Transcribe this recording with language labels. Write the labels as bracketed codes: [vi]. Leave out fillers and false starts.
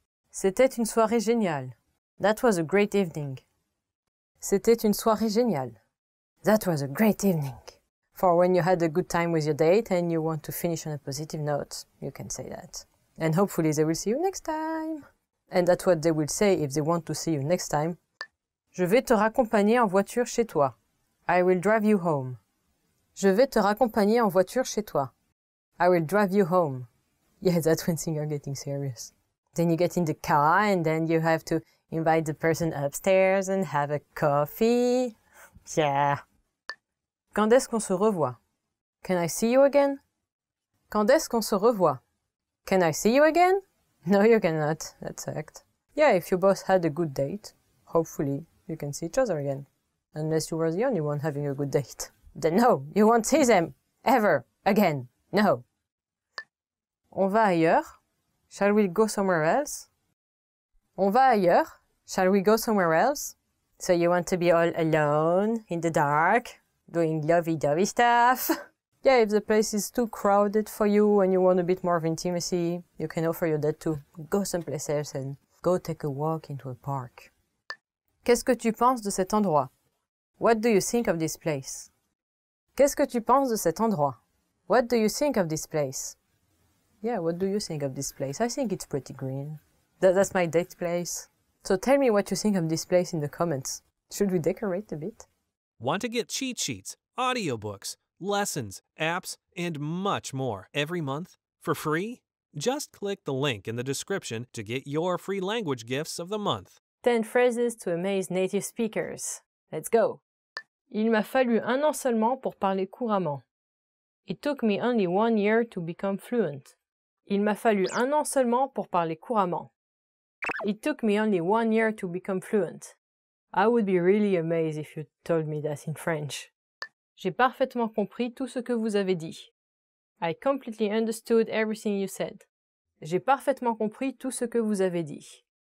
[fr] C'était une soirée géniale. [en] That was a great evening. [fr] C'était une soirée géniale. [en] That was a great evening. For when you had a good time with your date and you want to finish on a positive note, you can say that. And hopefully they will see you next time. And that's what they will say if they want to see you next time. [fr] Je vais te raccompagner en voiture chez toi. [en] I will drive you home. [fr] Je vais te raccompagner en voiture chez toi. [en] I will drive you home. Yeah, that's when things are getting serious. Then you get in the car and then you have to invite the person upstairs and have a coffee. [fr] Yeah. Quand est-ce qu'on se revoit? [en] Can I see you again? [fr] Quand est-ce qu'on se revoit? [en] Can I see you again? No, you cannot. That sucked. Yeah, if you both had a good date, hopefully you can see each other again. Unless you were the only one having a good date. Then no, you won't see them. Ever. Again. No. [fr] On va ailleurs? [en] Shall we go somewhere else? [fr] On va ailleurs? [en] Shall we go somewhere else? So you want to be all alone, in the dark, doing lovey-dovey stuff? Yeah, if the place is too crowded for you and you want a bit more of intimacy, you can offer your dad to go someplace else and go take a walk into a park. [fr] Qu'est-ce que tu penses de cet endroit? [en] What do you think of this place? [fr] Qu'est-ce que tu penses de cet endroit? [en] What do you think of this place? Yeah, what do you think of this place? I think it's pretty green. That's my date place. So tell me what you think of this place in the comments. Should we decorate a bit? Want to get cheat sheets, audiobooks, lessons, apps, and much more every month for free? Just click the link in the description to get your free language gifts of the month. 10 phrases to amaze native speakers. Let's go. [fr] Il m'a fallu un an seulement pour parler couramment. [en] It took me only 1 year to become fluent. [fr] Il m'a fallu un an seulement pour parler couramment. [en] It took me only 1 year to become fluent. I would be really amazed if you told me that in French. [fr] J'ai parfaitement compris tout ce que vous avez dit. [en] I completely understood everything you said. [fr] J'ai parfaitement compris tout ce que vous avez dit.